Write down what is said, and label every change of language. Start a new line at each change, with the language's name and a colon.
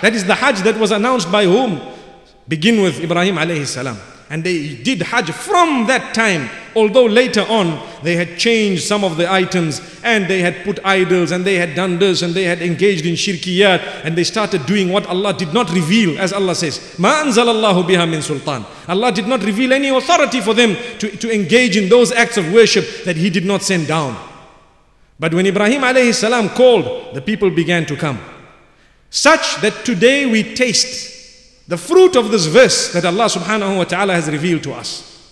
English: That is the Hajj that was announced by whom? Begin with Ibrahim alayhi salam. And they did Hajj from that time, although later on they had changed some of the items and they had put idols and they had done this and they had engaged in shirkiyat, and they started doing what Allah did not reveal.
Arabic: As Allah says, مَا أَنزَلَ اللَّهُ بِهَا مِنْ سُلْطَانِ.
English: Allah did not reveal any authority for them to engage in those acts of worship that He did not send down. But when Ibrahim alayhi salam called, the people began to come. Such that today we taste the fruit of this verse that Allah subhanahu wa ta'ala has revealed to us.